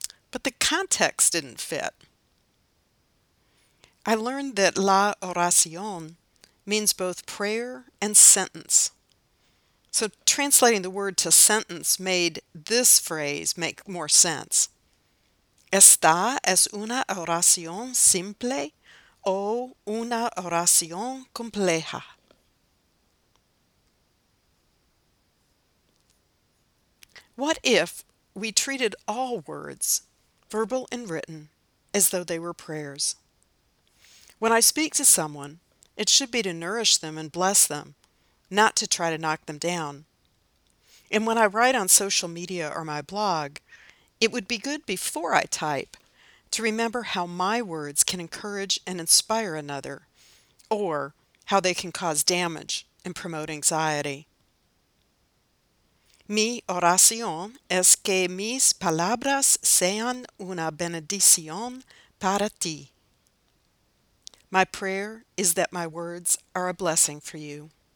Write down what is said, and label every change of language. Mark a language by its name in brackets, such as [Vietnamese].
[English] But the context didn't fit. I learned that la oración means both prayer and sentence. So translating the word to sentence made this phrase make more sense. [Spanish] ¿Esta es una oración simple o una oración compleja? [English] What if we treated all words, verbal and written, as though they were prayers? When I speak to someone, it should be to nourish them and bless them, not to try to knock them down. And when I write on social media or my blog, it would be good before I type to remember how my words can encourage and inspire another, or how they can cause damage and promote anxiety. [Spanish] Mi oración es que mis palabras sean una bendición para ti. [English] My prayer is that my words are a blessing for you.